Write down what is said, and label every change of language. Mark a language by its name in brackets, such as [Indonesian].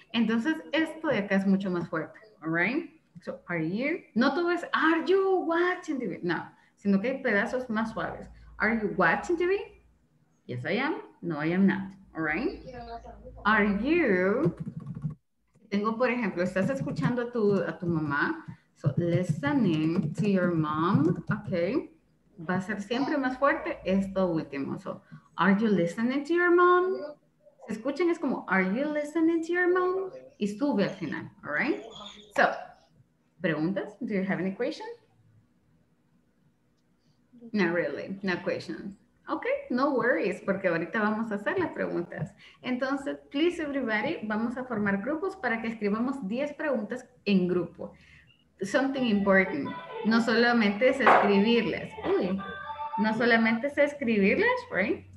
[Spanish] Entonces, esto de acá es mucho más fuerte, all right? [English] So, are you, [Spanish] no todo es, [English] are you watching TV? [Spanish] No, sino que hay pedazos más suaves. [English] Are you watching TV? Yes, I am. No, I am not, all right? Are you... [Spanish] Tengo, por ejemplo, estás escuchando a tu mamá. [English] So, listening to your mom, okay. [Spanish] Va a ser siempre más fuerte esto último. [English] So, are you listening to your mom? [Spanish] Si escuchan, es como, [English] are you listening to your mom? [Spanish] Y sube al final, all right? So, preguntas? [English] Do you have any questions? Not really, no questions. Ok, no worries, [Spanish] porque ahorita vamos a hacer las preguntas. Entonces, [English] please everybody, [Spanish] vamos a formar grupos para que escribamos 10 preguntas en grupo. [English] Something important. [Spanish] No solamente es escribirlas. Uy, no solamente es escribirlas, right?